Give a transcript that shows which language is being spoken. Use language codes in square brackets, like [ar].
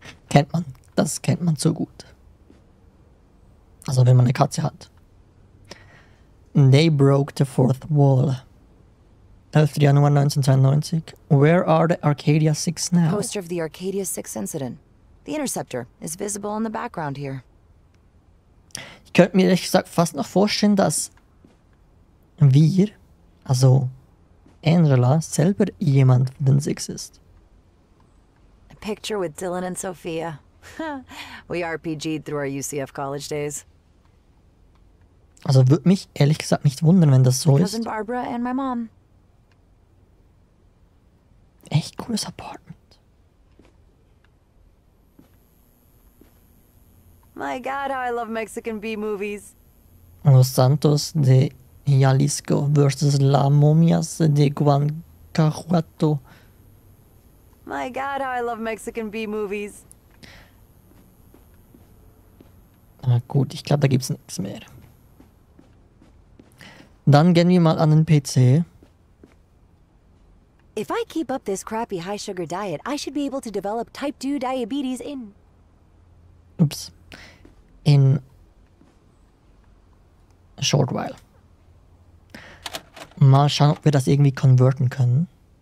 [de] Kennt man. Das kennt man so gut. Also wenn man eine Katze hat. [en] They broke the fourth wall. 11th January 1992. Where are the Arcadia 6 now? Poster of the Arcadia 6 incident. The Interceptor is visible in the background here. [de] Ich könnte mir ehrlich gesagt fast noch vorstellen, dass wir, also Angela, selber jemand von den 6 ist. [en] A picture with Dylan and Sophia. We RPG'd through our UCF college days. [de] Also würde mich ehrlich gesagt nicht wundern, wenn das so [en] Cousin [de] ist. [en] Cousin Barbara and my mom. [de] Echt cooles Apartment. [en] My God, how I love Mexican B-Movies. [es] Los Santos de Jalisco versus La Momias de Guanajuato. [en] My God, how I love Mexican B-Movies. [de] Na gut, ich glaube, da gibt's nichts mehr. Dann gehen wir mal an den PC. [en] If I keep up this crappy high-sugar diet, I should be able to develop type 2 diabetes in... Oops. In... a short while. [de] Mal schauen, ob wir das irgendwie konvertieren können.